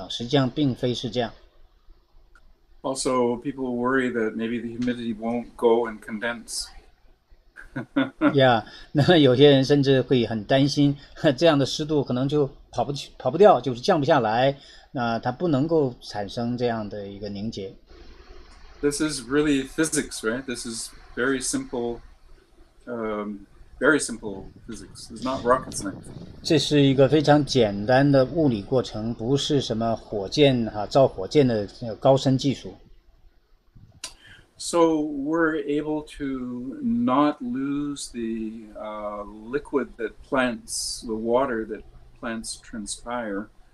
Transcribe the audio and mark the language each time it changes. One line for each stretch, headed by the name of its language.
Chinese: 那很多时候我跟别人讲的时候，很多人以为必须要非常湿才会发生凝结的情况，实际上并非是这样。Also,
English: people worry that maybe the humidity won't go and condense.
Chinese: Yeah, 那有些人甚至会很担心，这样的湿度可能就跑不掉，就是降不下来。
English: This is really physics, right? This is very simple, very simple physics. It's not rocket science.
Chinese: 这是一个非常简单的物理过程，不是什么火箭造火箭的高深技术。
English: So we're able to not lose the liquid that plants, the water that plants transpire.